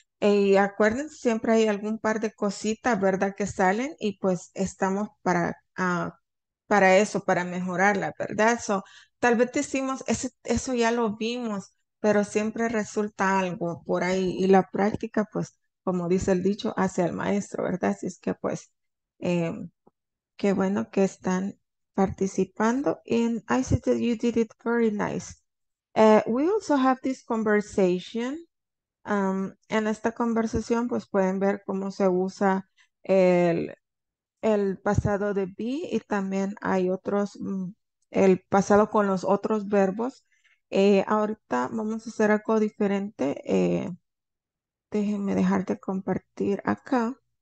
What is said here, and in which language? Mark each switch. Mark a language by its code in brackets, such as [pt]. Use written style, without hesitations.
[es] Y acuérdense, siempre hay algún par de cositas, ¿verdad?, que salen y pues estamos para eso, para mejorarla, ¿verdad? So, tal vez decimos, eso ya lo vimos, pero siempre resulta algo por ahí. Y la práctica, pues, como dice el dicho, hace al maestro, ¿verdad? Así es que, pues, qué bueno que están participando. [en] And I said that you did it very nice. We also have this conversation. [es] En esta conversación, pues, pueden ver cómo se usa el pasado de be, y también hay otros, el pasado con los otros verbos. Ahorita vamos a hacer algo diferente. Déjenme dejar de compartir acá.